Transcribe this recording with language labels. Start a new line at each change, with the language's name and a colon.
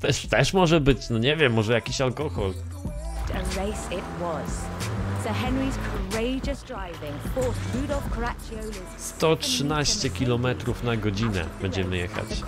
Polish: też może być, no nie wiem, może jakiś alkohol.
English: A race it was. Sir Henry's courageous driving forced Rudolf Caracciolo's
Polish: 113 km na godzinę będziemy jechać.